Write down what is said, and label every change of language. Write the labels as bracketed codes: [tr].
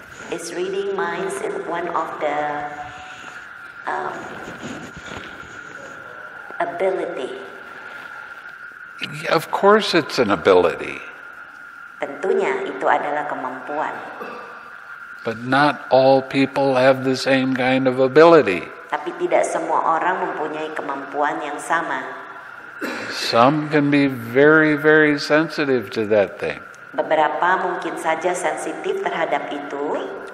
[en] Is reading minds in one of the ability? Of course it's an ability. [id] Tentunya itu adalah kemampuan. [en] But not all people have the same kind of ability. [id] Tapi tidak semua orang mempunyai kemampuan yang sama. [en] Some can be very, very sensitive to that thing. [id] Beberapa mungkin saja sensitif terhadap itu.